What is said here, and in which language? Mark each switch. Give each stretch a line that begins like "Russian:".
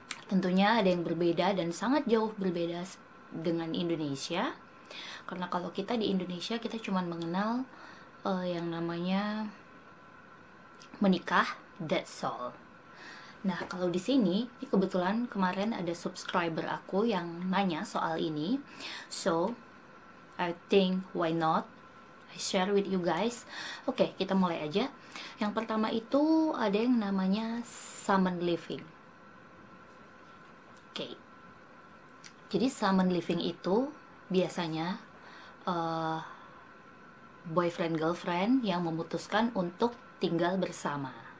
Indonesian: Tentunya ada yang berbeda dan sangat jauh berbeda dengan Indonesia. Karena kalau kita di Indonesia, kita cuma mengenal yang namanya menikah,
English: that's all.
Indonesian: Nah, kalau di sini, ini kebetulan kemarin ada subscriber aku yang nanya soal ini.
English: So, I think why not I share with you guys.
Indonesian: Oke, kita mulai aja. Yang pertama itu ada yang namanya summer living. Oke. Jadi summer living itu biasanya
English: boyfriend girlfriend
Indonesian: yang memutuskan untuk tinggal bersama.